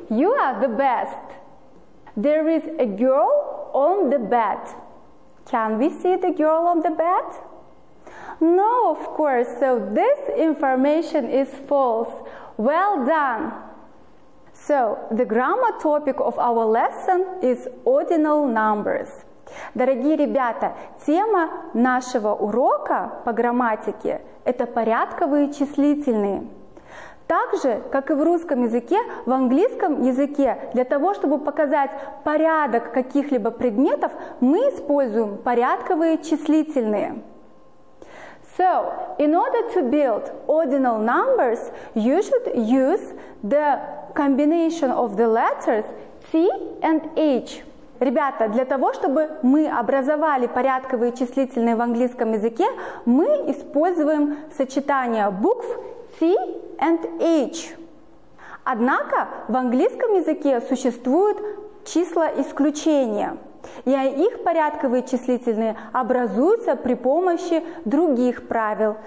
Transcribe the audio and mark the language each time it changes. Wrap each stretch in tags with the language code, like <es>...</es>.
<en>You are the best. There is a girl on the bed. Can we see the girl on the bed? No, of course. So this information is false. Well done. So the grammar topic of our lesson is ordinal numbers.</en> <ru>Дорогие ребята, тема нашего урока по грамматике – это порядковые числительные. Так же, как и в русском языке, в английском языке для того, чтобы показать порядок каких-либо предметов, мы используем порядковые числительные.</ru> <en>So, in order to build ordinal numbers, you should use the combination of the letters T and H.</en> <ru>Ребята, для того, чтобы мы образовали порядковые числительные в английском языке, мы используем сочетание букв T and H. Однако в английском языке существуют числа-исключения, и их порядковые числительные образуются при помощи других правил.</ru>